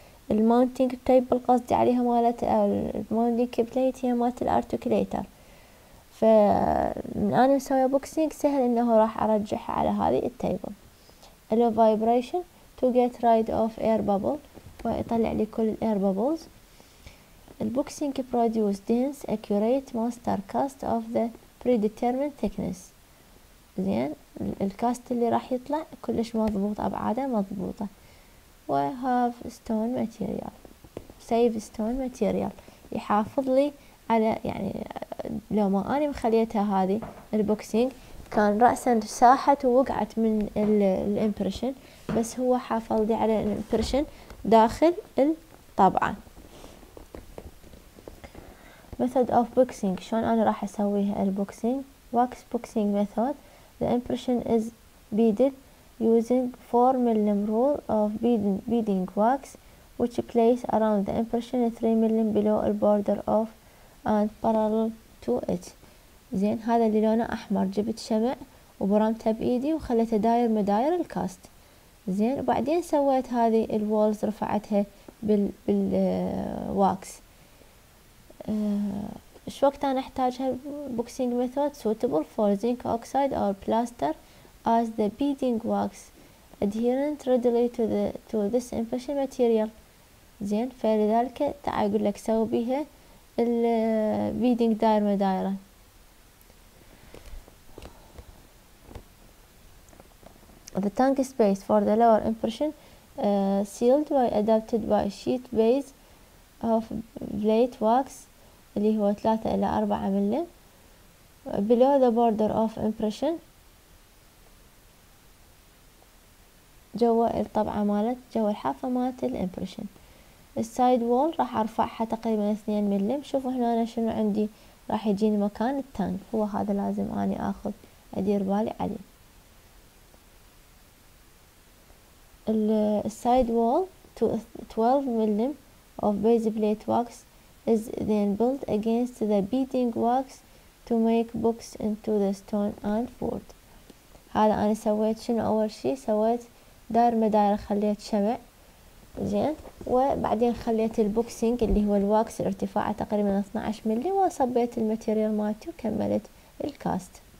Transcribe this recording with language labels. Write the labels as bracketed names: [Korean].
[Arabic] الماونتينج تيبل قصدي عليها مالت الماونتينج بليت هي مالت الارتكليتر، فمن انا مسوي بوكسينج سهل انه راح ارجعها على هذه التيبل. [English] allow vibration to get rid of air bubble [Arabic] ويطلع لي كل الاير بابلز. [English] البوكسينج produce dense accurate master cast of the predetermined thickness. زين [Arabic] الكاست اللي راح يطلع كلش مضبوط، أبعاده مضبوطة. و [English] have stone material، save stone material، [Arabic] يحافظ لي على يعني لو ما أنا مخليتها هذه البوكسينج كان رأسا ساحت ووقعت من الإمبريشن، بس هو حافظ لي على الإمبريشن داخل الطبعة. [English] method of boxing، [Arabic] شلون أنا راح أسويها البوكسينج؟ [English] wax boxing method، the impression is beaded using 4 mm rule of beading wax which place around the impression 3 mm below the border of and parallel to it. [Arabic] زين هذا اللي لونه احمر، جبت شمع وبرمته بايدي وخليته داير مداير الكاست. زين وبعدين سويت هذه الوولز، رفعتها بالواكس. ايش وقت انا احتاجها؟ [English] Boxing method suitable for zinc oxide or plaster as the beading wax adherent readily to the to this impression material. [Arabic] زين فلذلك تعال اقول لك سوي بيها البيدينج داير مدايرة. [English] the tank space for the lower impression sealed by adapted by sheet base of plate wax [Arabic] اللي هو 3 إلى 4 ملم [English] below the border of impression [Arabic] جوا الطبعة مالت جوا الحافة مالت الإمبريشن. السايد وول راح أرفعها تقريبا 2 ملم. شوفوا هنا أنا شنو عندي، راح يجيني مكان التانك، هو هذا لازم أني آخذ أدير بالي عليه. [English] السايد وول 12 ملم of base plate wax is then built against the beading wax to make box into the stone and poured. [Arabic] هذا أنا سويت شنو أول شي؟ سويت دار مدار، خليت شمع زين، وبعدين خليت البوكسينج اللي هو الواكس ارتفاعه تقريبا 12 ملي، وصبيت الماتيريال مالتي وكملت الكاست.